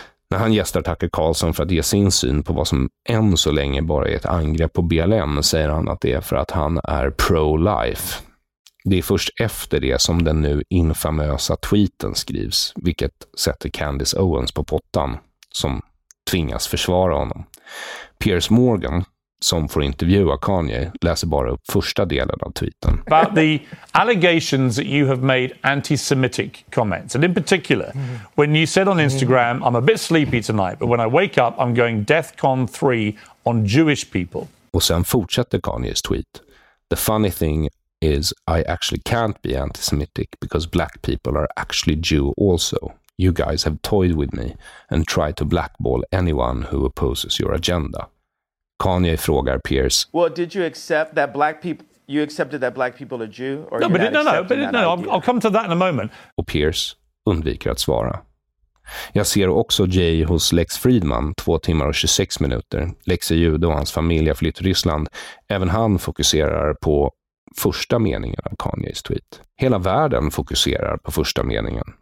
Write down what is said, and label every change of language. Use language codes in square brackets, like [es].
[sv] När han gästar Tucker Carlson för att ge sin syn på vad som än så länge bara är ett angrepp på BLM, säger han att det är för att han är pro-life. Det är först efter det som den nu infamösa tweeten skrivs, vilket sätter Candace Owens på pottan, som tvingas försvara honom. Piers Morgan, som får intervjua Kanye, läser bara upp första delen av tweeten. [en] About the allegations that you have made anti-Semitic comments, and in particular, when you said on Instagram, I'm a bit sleepy tonight, but when I wake up, I'm going DEFCON 3 on Jewish people. [sv] Och sen fortsätter Kanye's tweet. [en] The funny thing is, I actually can't be anti-Semitic because black people are actually Jew also. You guys have toyed with me and tried to blackball anyone who opposes your agenda. [sv] Kanye frågar Pierce. [en] Well, did you accept that black people, you accepted that black people are Jew? Or no, but no. I'll come to that in a moment. [sv] Och Pierce undviker att svara. Jag ser också Jay hos Lex Friedman, 2 timmar och 26 minuter. Lex är jude och hans familj har flytt till Ryssland. Även han fokuserar på första meningen av Kanyes tweet. Hela världen fokuserar på första meningen.